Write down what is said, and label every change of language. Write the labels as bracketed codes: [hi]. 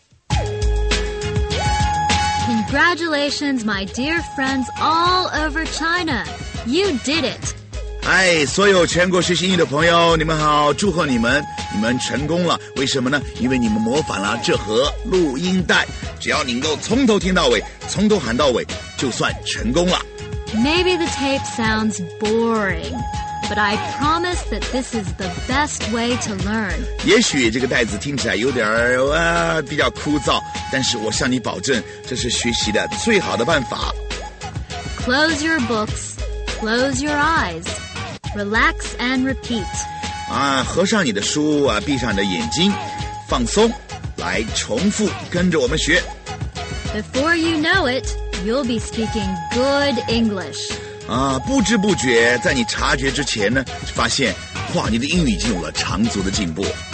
[en] Congratulations, my dear friends all over China. You did it. [zh] Hi, 所有全国学习英语的朋友，你们好，祝贺你们，你们成功了。为什么呢？因为你们模仿了这盒录音带。只要你能够从头听到尾，从头喊到尾，就算成功了。 [en] Maybe the tape sounds boring, but I promise that this is the best way to learn. [zh] 也许这个袋子听起来有点比较枯燥。但是我向你保证，这是学习的最好的办法。 [en] Close your books, close your eyes, relax and repeat. [zh] 啊，合上你的书啊，闭上你的眼睛，放松，来重复，跟着我们学。 [en] Before you know it, you'll be speaking good English. [zh] 啊，不知不觉，在你察觉之前呢，发现，哇，你的英语已经有了长足的进步。